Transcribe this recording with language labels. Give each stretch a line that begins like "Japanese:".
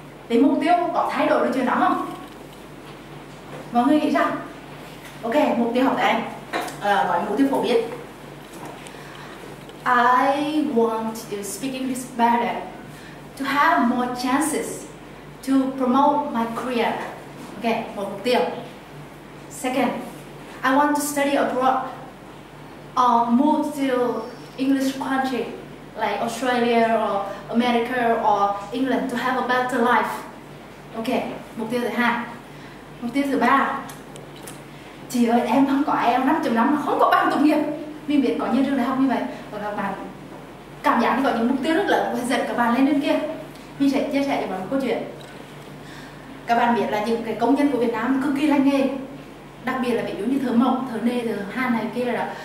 Vietnamese: Thì mục tiêu có thay đổi được chuyện đó không? Mọi người nghĩ sao?
English: Ok,
Vietnamese: mục tiêu học tại em gọi mục tiêu phổ biến:
English: I want to speak English better, to have more chances to promote my career.
Vietnamese: Ok, một mục tiêu.
English: Second, I want to study abroad or move to English country like Australia or America or England to have a better life.
Vietnamese: Ok, mục tiêu thứ hai. Mục tiêu thứ ba: chị ơi, em không có IELTS 5.5, không có bằng tốt nghiệp. Mình biết có nhiều trường đại học như vậy, và các bạn cảm giác như có những mục tiêu rất lớn và dẫn các bạn lên trên kia. Mình sẽ chia sẻ cho bạn một câu chuyện. Các bạn biết là những cái công nhân của Việt Nam cực kỳ lành nghề, đặc biệt là ví dụ như thợ mộc, thợ nê, thợ hàn này kia rồi đó.